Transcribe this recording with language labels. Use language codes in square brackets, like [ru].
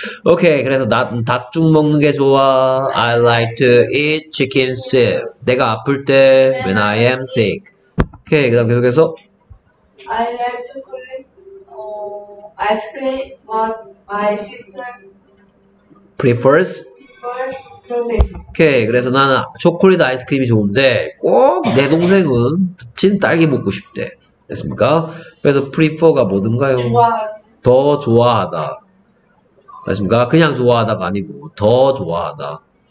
[ko] 오케이, 그래서 난 닭죽 먹는 게 좋아. [en] I like to eat chicken soup. [ko] 내가 아플 때 [en] when I am sick. [ko] 오케이, 그 다음 계속해서 [en] I like to collect ice cream but my sister prefers strawberry. [ko] 오케이, 그래서 나는 초콜릿 아이스크림이 좋은데 꼭 내 동생은 진 딸기 먹고 싶대. 됐습니까? 그래서 prefer가 뭐든가요? 더 좋아하다. 맞습니까? 그냥 좋아하다가 아니고 더 좋아하다.